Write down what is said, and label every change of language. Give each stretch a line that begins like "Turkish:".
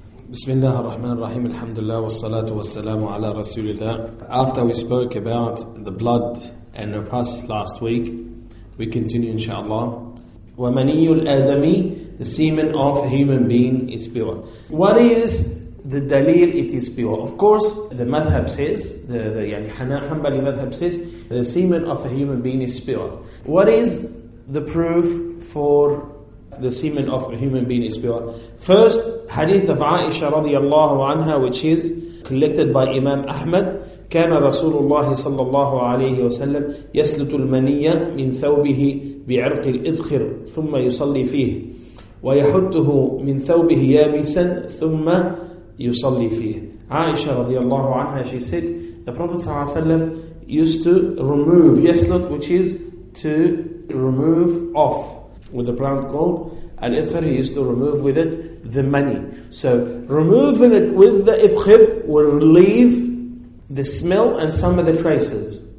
Arabic: بسم الله الرحمن الرحيم الحمد لله والصلاة والسلام على رسول الله.
English: After we spoke about the blood and the pus last week, we continue inshallah.
Arabic: ومني الآدمي,
English: the semen of a human being is pure. What is the دليل it is pure? Of course, the madhab says, Hanbali madhab says, the semen of a human being is pure. What is the proof for the semen of a human being is pure? First, hadith of Aisha radiallahu anha, which is collected by Imam Ahmad.
Arabic: كان رسول الله صلى الله عليه وسلم يسلت المنية من ثوبه بعرق الإذخر ثم يصلي فيه ويحطه من ثوبه يابسا ثم يصلي فيه.
English: Aisha radiallahu anha, she said, the Prophet صلى الله عليه وسلم used to remove yaslut, which is to remove off with the brown gold, and ifkhir, he used to remove with it the money. So removing it with the ifkhir will leave the smell and some of the traces.